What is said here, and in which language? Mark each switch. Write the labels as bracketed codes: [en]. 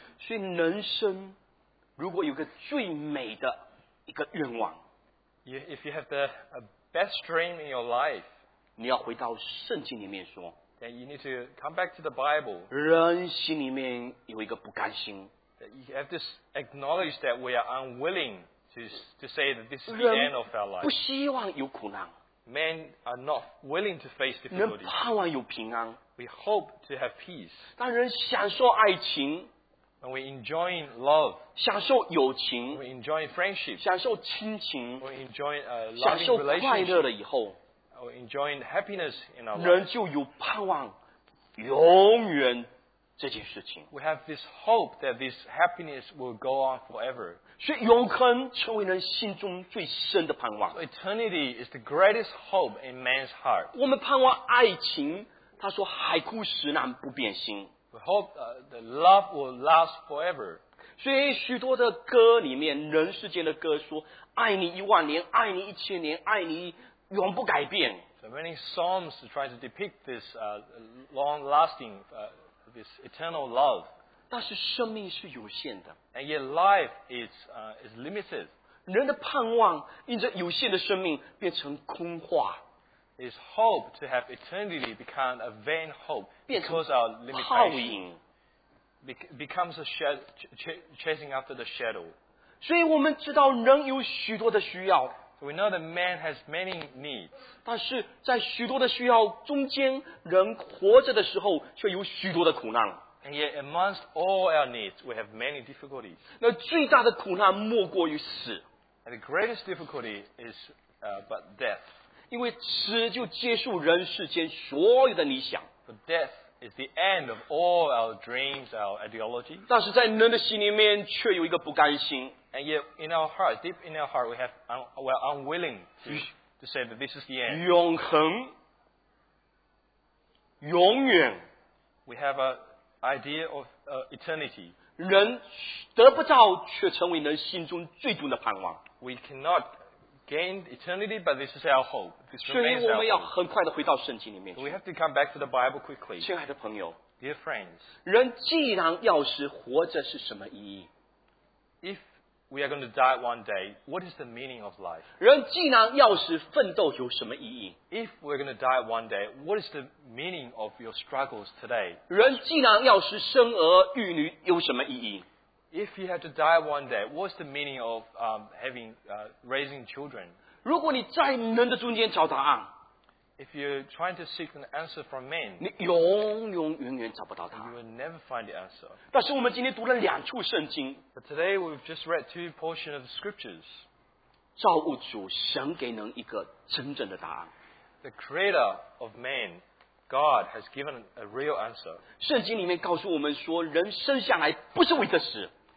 [zh] 所以人生如果有个最美的一个愿望。 [en] If you have the best dream in your life. [zh] 你要回到圣经里面说。 [en] Then you need to come back to the Bible. [zh] 人心里面有一个不甘心。 [en] That you have to acknowledge that we are unwilling to say that this is the end of our life. [zh] 不希望有苦难。 [en] Men are not willing to face difficulties. [zh] 人盼望有平安。 [en] We hope to have peace. [zh] 当人享受爱情。 [en] When we enjoy love. [zh] 享受友情。 [en] We enjoy friendship. [zh] 享受亲情。 [en] We enjoy a loving relationship. [zh] 享受快乐了以后。 [en] Or enjoying happiness in our life. [zh] 人就有盼望永远这件事情。 [en] We have this hope that this happiness will go on forever. [zh] 所以永恒成为人心中最深的盼望。 [en] So eternity is the greatest hope in man's heart. [zh] 我们盼望爱情他说海枯石烂不变心。 [en] We hope the love will last forever. [zh] 所以许多的歌里面人世间的歌说爱你一万年爱你一千年爱你永不改变。 [en] So many psalms try to depict this long-lasting, this eternal love. [zh] 但是生命是有限的。 [en] And yet life is limited. [zh] 人的盼望因着有限的生命变成空话。 [en] His hope to have eternity become a vain hope because of limitation. [zh] 泡影。 [en] Becomes a chasing after the shadow. [zh] 所以我们知道人有许多的需要。 [en] So we know that man has many needs. [zh] 但是在许多的需要中间人活着的时候却有许多的苦难。 [en] And yet amongst all our needs, we have many difficulties. [zh] 那最大的苦难莫过于死。 [en] And the greatest difficulty is but death. [zh] 因为死就结束人世间所有的理想。 [en] For death is the end of all our dreams, our ideology. [zh] 但是在人的心里面却有一个不甘心。 [en] And yet, in our heart, deep in our heart, we're unwilling to say that this is the end. [zh] 永恒，永远。 [en] We have an idea of eternity. [zh] 人得不到，却成为人心中最终的盼望。 [en] We cannot gain eternity, but this is our hope. This remains our hope. [zh] 所以我们要很快地回到圣经里面。 [en] We have to come back to the Bible quickly. [zh] 亲爱的朋友 [en] ，Dear friends, [zh] 人既然要死，活着是什么意义 [en] ？If We are going to die one day. What is the meaning of life? [zh] 人既然要死，奋斗有什么意义 [en] ？If we're going to die one day, what is the meaning of your struggles today? [zh] 人既然要死，生儿育女有什么意义 [en] ？If you had to die one day, what's the meaning of having raising children? [zh] 如果你在人的中间找答案 [en] ，If you're trying to seek an answer from men, [zh] 你永永远远找不到答案。 [en] You will never find the answer. [zh] 但是我们今天读了两处圣经。 [en] But today we've just read two portions of the scriptures. [zh] 造物主神给人一个真正的答案。 [en] The creator of man, God, has given a real answer. [zh] 圣经里面告诉我们说，人生下来不是为这事。